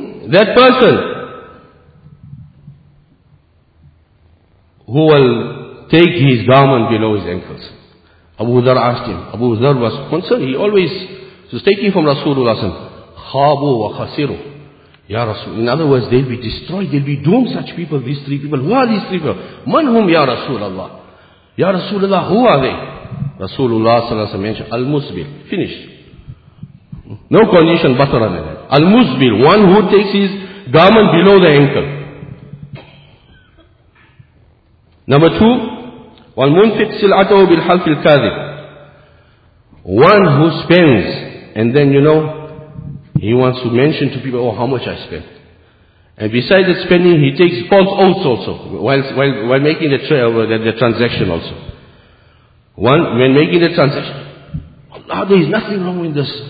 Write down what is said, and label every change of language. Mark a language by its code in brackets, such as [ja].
[en] That person who will take his garment below his ankles. Abu Dharr asked him. Abu Dharr was concerned. He always was taking from Rasulullah. [ar] Khabu wa khasiru. Ya Rasul. [en] In other words, they'll be destroyed. They'll be doomed, such people, these three people. Who are these three people? [ar] Man hum ya Rasulullah? [en] Ya Rasulullah, who are they? Rasulullah صلى الله عليه وسلم mentioned Al-Musbil. Finished. No condition but rather than Al-Musbil, one who takes his garment below the ankle. Number two, [ar] وَالْمُنْفِقْ سِلْعَتَهُ بِالْحَلْفِ الْكَاذِبِ. [en] One who spends, and then you know, he wants to mention to people, oh, how much I spent. And besides the spending, he takes false oaths also, while making the transaction also. One, when making the transaction, Allah, there is nothing wrong with this.